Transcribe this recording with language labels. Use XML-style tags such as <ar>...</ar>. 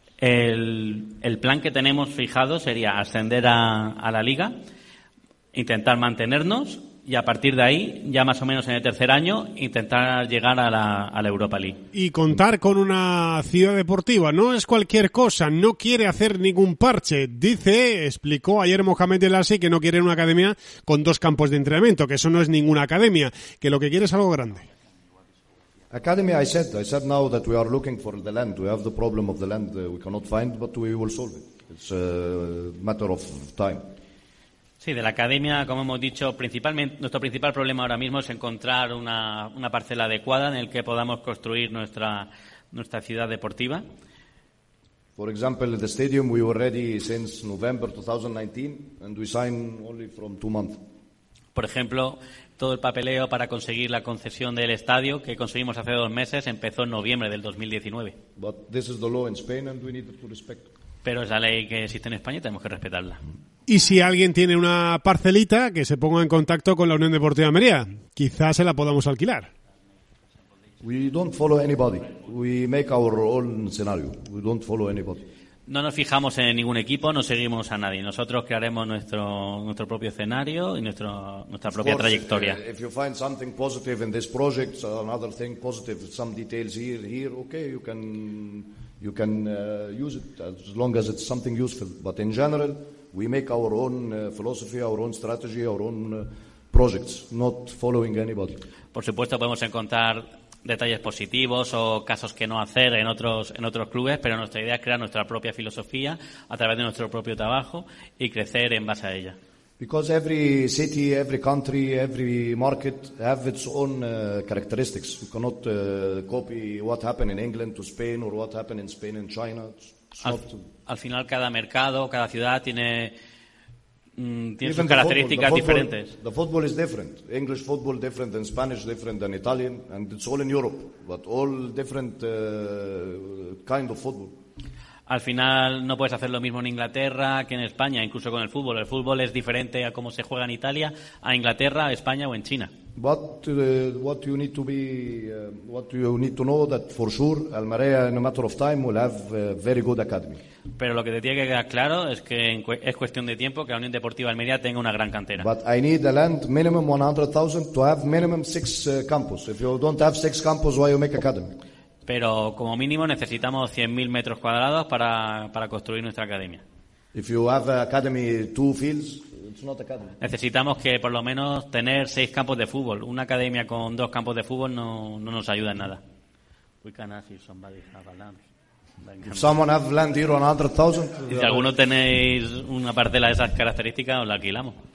<es>El plan que tenemos fijado sería ascender a la Liga, intentar mantenernos y a partir de ahí, ya más o menos en el tercer año, intentar llegar a la Europa League. Y contar con una ciudad deportiva no es cualquier cosa, no quiere hacer ningún parche. Explicó ayer Mohamed El Assi que no quiere una academia con dos campos de entrenamiento, que eso no es ninguna academia, que lo que quiere es algo grande.</es> <en>Academy, I said now that we are looking for the land. We have the problem of the land we cannot find, but we will solve it. It's a matter of time.</en> <es>Sí, de la academia, como hemos dicho, principalmente nuestro principal problema ahora mismo es encontrar una parcela adecuada en el que podamos construir nuestra ciudad deportiva.</es> <en>For example, the stadium we were ready since November 2019 and we signed only from 2 months.</en> <es>Por ejemplo, todo el papeleo para conseguir la concesión del estadio que conseguimos hace 2 meses empezó en noviembre del 2019.</es> <en>But this is the law in Spain and we need to respect.</en> <es>Pero es la ley que existe en España y tenemos que respetarla. Y si alguien tiene una parcelita, que se ponga en contacto con la Unión Deportiva de Almería. Quizás se la podamos alquilar.</es> <en>We don't follow anybody. We make our own scenario. We don't follow anybody.</en> <es>No nos fijamos en ningún equipo, no seguimos a nadie. Nosotros crearemos nuestro propio escenario y nuestra propia trayectoria.</es> <en>If you find something positive in this project, another thing positive, some details here, okay, you can use it as long as it's something useful. But in general, we make our own philosophy, our own strategy, our own projects, not following anybody.</en> <es>Por supuesto, podemos encontrar detalles positivos o casos que no hacer en otros clubes, pero nuestra idea es crear nuestra propia filosofía a través de nuestro propio trabajo y crecer en base a ella.</es> <en>Because every city, every country, every market have its own characteristics. You cannot copy what happened in England to Spain or what happened in Spain and China.</en> <es>Al final cada mercado, cada ciudad tiene sus características diferentes.</es> <en>The football is different. English football different than Spanish, different than Italian, and it's all in Europe, but all different kind of football.</en> <es>Al final no puedes hacer lo mismo en Inglaterra que en España, incluso con el fútbol. El fútbol es diferente a cómo se juega en Italia, a Inglaterra, a España o en China.</es> <en>What you need to know that for sure Almería in a matter of time will have a very good academy.</en> <es>Pero lo que te tiene que quedar claro es que es cuestión de tiempo que la Unión Deportiva de Almería tenga una gran cantera.</es> <en>But I need the land minimum 100,000 to have minimum 6 campus. If you don't have 6 campus, why you make academy?</en> <es>Pero como mínimo necesitamos 100.000 metros cuadrados para construir nuestra academia.</es> <en>If you have academy 2 fields, it's not academy.</en> <es>Necesitamos que por lo menos tener 6 campos de fútbol. Una academia con 2 campos de fútbol no nos ayuda en nada.</es> <en>We can ask if somebody has a land. If someone have land here on 100,000.</en> <es>Si alguno tenéis una parcela de esas características, os la alquilamos.</es>